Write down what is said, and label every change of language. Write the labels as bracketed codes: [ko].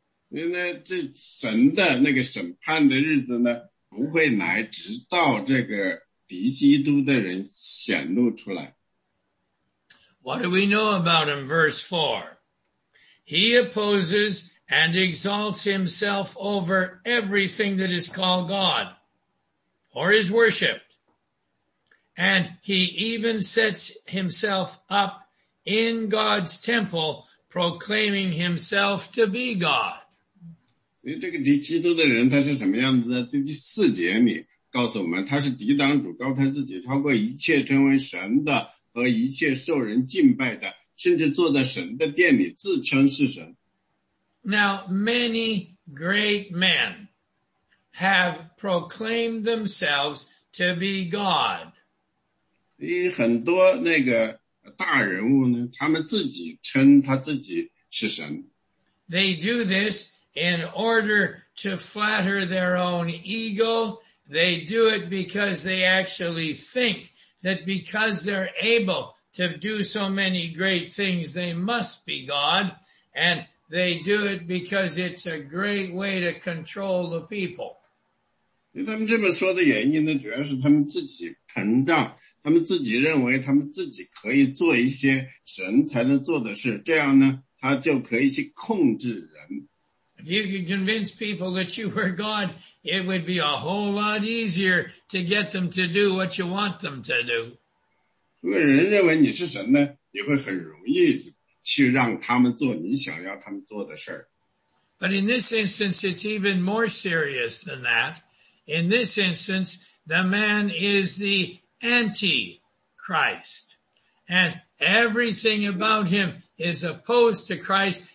[zh] 因为这神的那个审判的日子呢，不会来，直到这个敌基督的人显露出来。 [en] What do we know about him? Verse 4. He opposes and exalts himself over everything that is called God. Or is worshipped. And he even sets himself up in God's temple, proclaiming himself to be God. [zh] 所以这个敌基督的人他是什么样子的？第四节里告诉我们，他是抵挡主，高抬自己，超过一切称为神的和一切受人敬拜的，甚至坐在神的殿里自称是神。 [en] Now, many great men. Have proclaimed themselves to be God. [zh] 很多那个大人物呢，他们自己称他自己是神。 [en] They do this in order to flatter their own ego. They do it because they actually think that because they're able to do so many great things, they must be God. And they do it because it's a great way to control the people. [zh] 所以他们这么说的原因呢，主要是他们自己膨胀，他们自己认为他们自己可以做一些神才能做的事，这样呢，他就可以去控制人。 [en] If you could convince people that you were God, it would be a whole lot easier to get them to do what you want them to do. [zh] 如果人认为你是神呢，你会很容易去让他们做你想要他们做的事。 [en] But in this instance, it's even more serious than that. In this instance, the man is the Antichrist, and everything about him is opposed to Christ.